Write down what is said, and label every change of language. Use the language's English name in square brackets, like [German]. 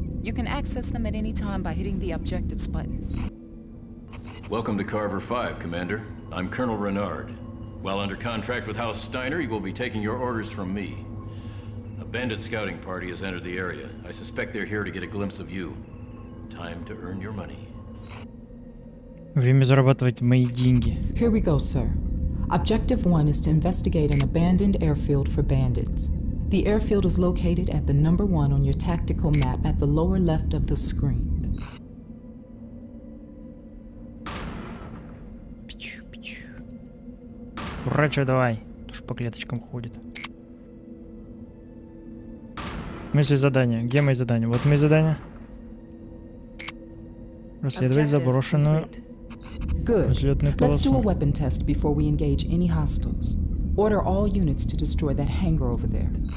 [English] You can access them at any time by hitting the objectives button. Welcome to Carver 5, Commander. I'm Colonel Renard. While under contract with House Steiner, you will be taking your orders from me. A bandit scouting party has entered the area. I suspect they're here to get a glimpse of you. Time to earn your money. [Russian] Время зарабатывать мои деньги. [English] Here we go, sir. Objective 1 is to investigate an abandoned airfield for bandits. The airfield is located at the number 1 on your tactical map at the lower left of the screen. [Russian] Врача давай, то что по клеточкам ходит. Мысли задания. Где мои задания? Вот мои задания. Расследовать заброшенную [English] Good. Let's do a weapon test before we engage any hostiles. Order all units to destroy that hangar over there.